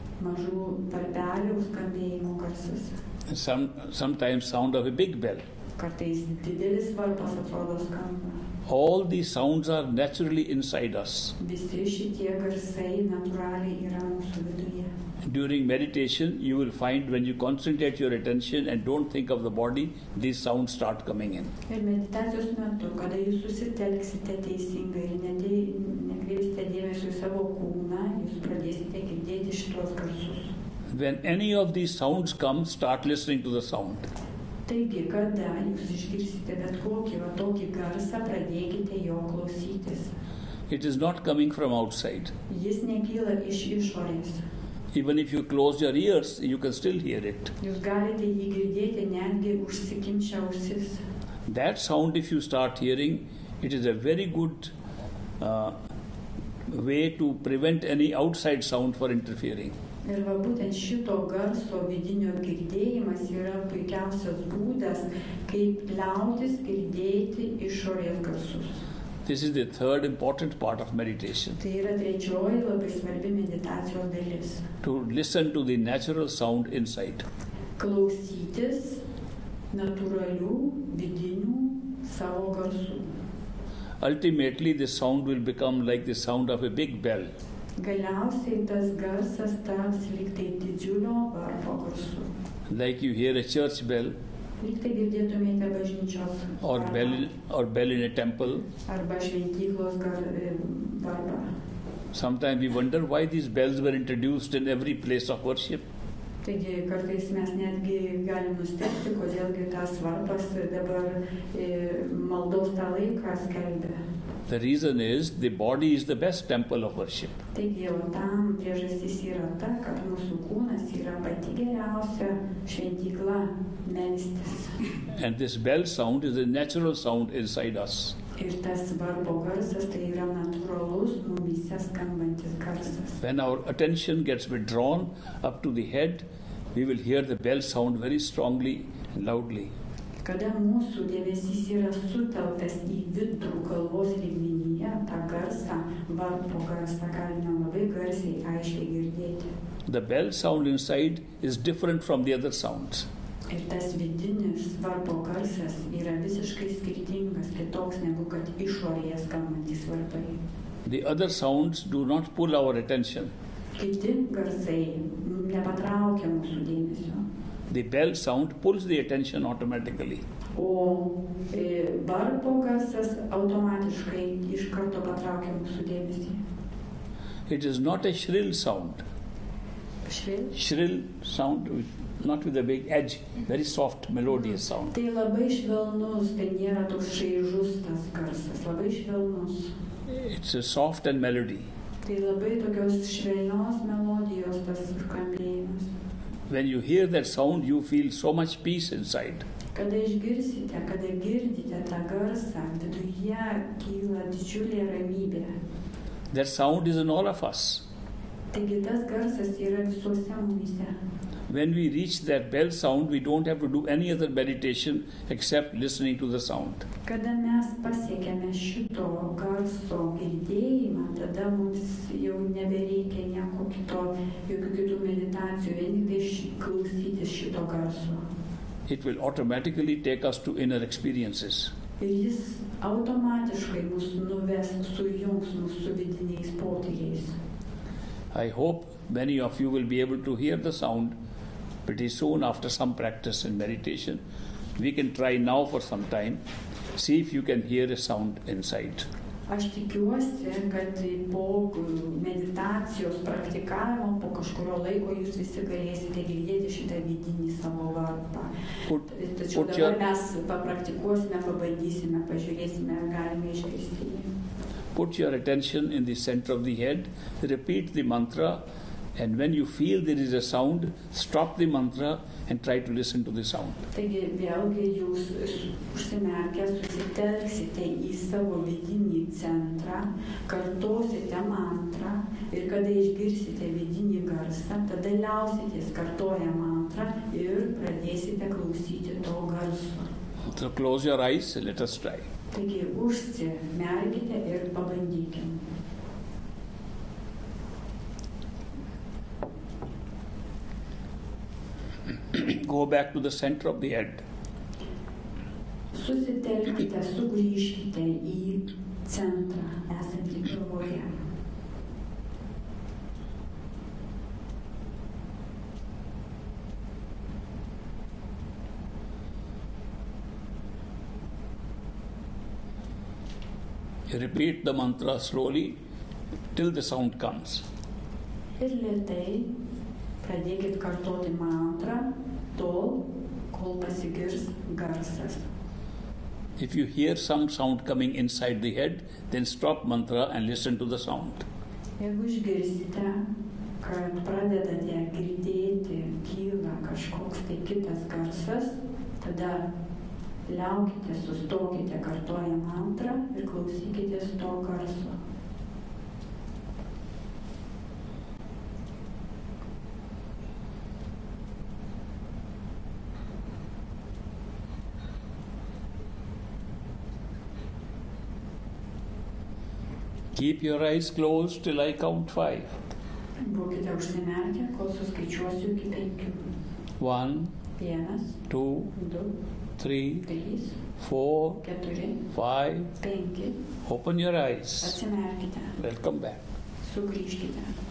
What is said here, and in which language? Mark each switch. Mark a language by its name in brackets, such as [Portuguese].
[Lithuanian] Mažų varpelių skambėjimo garsas. [English] Sometimes sound of a big bell. [Lithuanian] Kartais didelis varpas atrodo skamba. [English] All these sounds are naturally inside us. [Lithuanian] Visi šitie garsai natūraliai yra mūsų viduje. [English] During meditation, you will find when you concentrate your attention and don't think of the body, these sounds start coming in. [Lithuanian] Ir meditacijos metu, kada jūs susitelksite teisingai ir nukreipsite dėmesį į savo kūną, jūs pradėsite girdėti šitos garsus. [English] When any of these sounds come, start listening to the sound. [Lithuanian] Taigi, kada jūs išgirsite bet kokį va tokį garsą, pradėkite jo klausytis. [English] It is not coming from outside. [Lithuanian] Jis nekyla iš išorės. [English] Even if you close your ears, you can still hear it. [Lithuanian] Jūs galite jį girdėti netgi užsikimšę ausis. [English] That sound, if you start hearing, it is a very good way to prevent any outside sound for interfering. [Lithuanian] Ir va būtent šito garso vidinio girdėjimas yra puikiausias būdas, kaip liautis girdėti išorės garsus. [English] This is the third important part of meditation. [Lithuanian] Tai yra trečioji labai svarbi meditacijos dalis. [English] To listen to the natural sound inside. [Lithuanian] Klausytis natūralių vidinių savo garsų. [English] Ultimately, the sound will become like the sound of a big bell. [Lithuanian] Galiausiai tas garsas taps lyg tai didžiulio varpo garsu. [English] Like you hear a church bell. [Lithuanian] Lyg tai girdėtumėte bažnyčios varpą. [English] Or bell in a temple. [Lithuanian] Arba šventyklos varpą. [English] Sometimes we wonder why these bells were introduced in every place of worship. [Lithuanian] Taigi kartais mes netgi galim nustebti, kodėlgi tas varpas dabar maldaus tą laiką skelbė. [English] The reason is the body is the best temple of worship. [Lithuanian] Taigi jau tam priežastis yra ta, kad mūsų kūnas yra pati geriausia šventykla melstis. [English] And this bell sound is a natural sound inside us. [Lithuanian] Ir tas varpo garsas tai yra natūralus mumyse skambantis garsas. [English] When our attention gets withdrawn up to the head, we will hear the bell sound very strongly and loudly. [Lithuanian] Kada mūsų dėmesys yra sutelktas į vidų galvos lygmenyje, tą garsą, varpo garsą galime labai garsiai aiškiai girdėti. [English] The bell sound inside is different from the other sounds. [Lithuanian] Ir tas vidinis varpo garsas yra visiškai skirtingas, kitoks negu kad išorėje skambantys varpai. [English] The other sounds do not pull our attention. [Lithuanian] Kiti garsai nepatraukia mūsų dėmesio. [English] The bell sound pulls the attention automatically. [Lithuanian] O varpo garsas automatiškai iš karto patraukia mūsų dėmesį. [English] It is not a shrill sound. Shrill? Shrill sound, not with a big edge, very soft, melodious sound. [Lithuanian] Tai labai švelnus, tai nėra toks šaižus tas garsas, labai švelnus. [English] It's a soft and melody. [Lithuanian] Tai labai tokios švelnios melodijos tas skambėjimas. [English] When you hear that sound, you feel so much peace inside. [Lithuanian] Kada išgirsite, kada girdite tą garsą, viduje kyla didžiulė ramybė. [English] That sound is in all of us. [Lithuanian] Taigi tas garsas yra visuose mumyse. [English] When we reach that bell sound, we don't have to do any other meditation except listening to the sound. [Lithuanian] Kada mes pasiekėme šito garso girdėjimą, tada mums jau nebereikia nieko kito, jokių kitų meditacijų, vien tik klausytis šito garso. [English] It will automatically take us to inner experiences. [Lithuanian] Ir jis automatiškai mus nuves, sujungs mus su vidiniais potyriais. [English] I hope many of you will be able to hear the sound pretty soon after some practice in meditation. We can try now for some time. See if you can hear a sound inside. [Lithuanian] Aš tikiuosi, kad po meditacijos praktikavimo, po kažkurio laiko, jūs visi galėsite girdėti šitą vidinį savo varpą. Tačiau dabar mes papraktikuosime, pabandysime, pažiūrėsime, galime išgirsti. [English] Put your attention in the center of the head, repeat the mantra, and when you feel there is a sound, stop the mantra and try to listen to the sound. [Lithuanian] Taigi, vėlgi, jūs užsimerkę, susitelksite į savo vidinį centrą, kartosite mantrą, ir kada išgirsite vidinį garsą, tada liausitės kartoję mantrą ir pradėsite klausyti to garso. [English] So close your eyes and let us try. [Lithuanian] Taigi užsimerkite ir pabandykite. [English] Go back to the center of the head. [Lithuanian] Susitelkite, sugrįžkite į centrą esantį galvoje. [English] Repeat the mantra slowly till the sound comes. [Lithuanian] Ir lėtai pradėkit kartoti mantrą tol, kol pasigirs garsas. [English] If you hear some sound coming inside the head, then stop mantra and listen to the sound. [Lithuanian] Jeigu išgirsite, kad pradedate girdėti kyla kažkoks tai kitas garsas, tada liaukite, sustokite kartoję mantrą ir klausykite to garso. [English] Keep your eyes closed till I count five. [Lithuanian] Būkite užsimerkę, kol suskaičiuosiu iki penkių. [English] One. [Lithuanian] Vienas. [English] Two. [Lithuanian] Du. [English] Three. [Lithuanian] Trys. [English] Four. [Lithuanian] Keturi. [English] Five. [Lithuanian] Penki. [English] Open your eyes. [Lithuanian] Atsimerkite. [English] Welcome back. [Lithuanian] Sugrįžkite.